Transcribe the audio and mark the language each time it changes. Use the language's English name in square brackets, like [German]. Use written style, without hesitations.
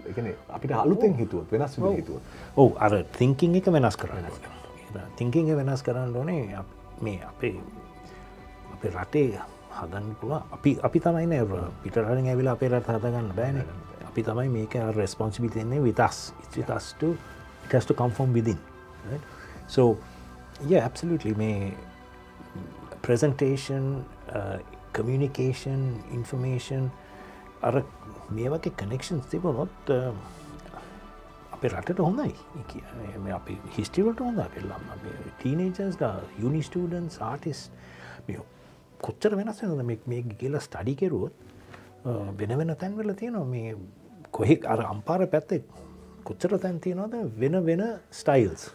[Sinhala] ඒ කියන්නේ අපිට අලුතෙන් හිතුවොත් වෙනස් විදිහකින් හිතුවොත්. ඔව් අර thinking එක වෙනස් කරන්න ඕනේ. thinking එක වෙනස් කරන්න ඕනේ මේ අපේ රටේ හදන්න පුළුවන්. අපි තමයි නේ පිටරටින් ඇවිල්ලා අපේ රට හදාගන්න බෑනේ. අපි තමයි මේක අර responsibility එන්නේ [English] with us. It has to come from within. Right? So yeah, absolutely [Sinhala] මේ presentation communication, information, අර මේ වගේ කනෙක්ෂන්ස් තිබුණොත් අපි රටට හොඳයි කියන්නේ අපි හිස්ටරි වලට හොඳයි අපි ළමයි මේ ටීනේජර්ස් ද යුනි ස්ටුඩන්ට්ස් ආටිස්ට් මේ කොච්චර වෙනස් වෙනවද මේ කියලා ස්ටඩි කරුවොත් වෙන වෙන තැන්වල තියෙනවා මේ කොහේ අර අම්පාර පැත්තේ කොච්චර තැන් තියෙනවද වෙන වෙන ස්ටයිල්ස්.